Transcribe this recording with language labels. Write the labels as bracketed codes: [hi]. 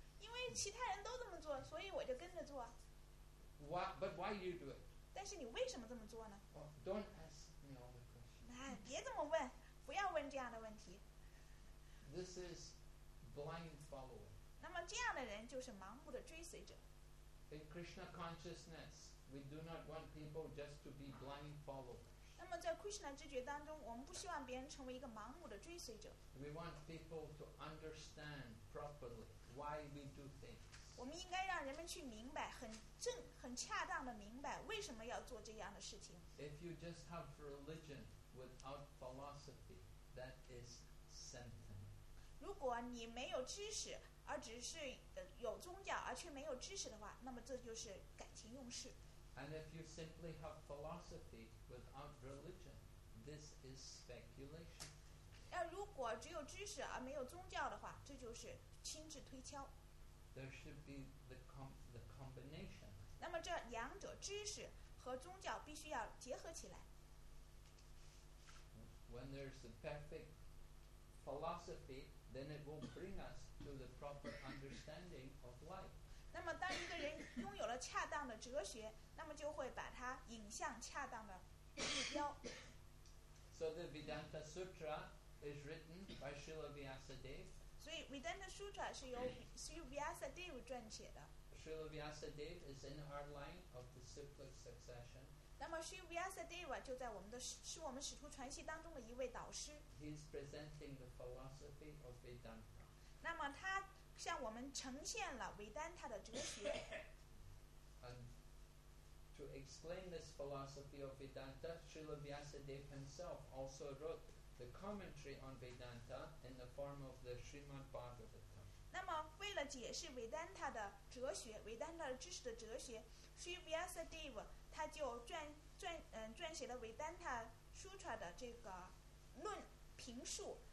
[zh] 因为其他人都这么做，所以我就跟着做。 [en] But why you do it? [zh] 但是你为什么这么做呢 [en] ？Don't ask me all the questions. [zh] 别这么问，不要问这样的问题。 [en] This is blind following. [zh] 那么这样的人就是盲目的追随者。 [en] In Krishna consciousness, we do not want people just to be blind followers. [zh] 那么在 Krishna 知觉当中，我们不希望别人成为一个盲目的追随者。 [en] We want people to understand properly why we do things. [zh] 我们应该让人们去明白，很恰当的明白为什么要做这样的事情。 [en] If you just have religion without philosophy, that is sin. [zh] 如果你没有知识。而只是有宗教而却没有知识的话，那么这就是感情用事。 [en] And if you simply have philosophy without religion, this is speculation. [zh] 如果只有知识而没有宗教的话，这就是轻质推敲。 [en] There should be the combination. [zh] 那么这两者知识和宗教必须要结合起来。 [en] When there's the perfect philosophy, then it will bring us. To the proper understanding of life. [zh] 那么，当一个人拥有了恰当的哲学，那么就会把它引向恰当的目标。 [en] So the Vedanta Sutra is written by Srila Vyasadeva. [zh] 所以 ，Vedanta Sutra 是由 Sri Vyasadeva 撰写的。 [en] Srila Vyasadeva is in our line of the cyclic succession. [zh] 那么 ，Sri Vyasadeva 就在是我们使徒传系当中的一位导师。 [en] He is presenting the philosophy of Vedanta. [zh] 那么他向我们呈现了维丹他的哲学。 [en] And to explain this philosophy of Vedanta, Srila Vyasadeva himself also wrote the commentary on Vedanta in the form of the Srimad Bhagavatam. [zh] 那么为了解释维丹他的哲学，维丹他的知识的哲学 ，Sri Vyasadeva 他就撰写了维丹他 Sutra 的这个论评述。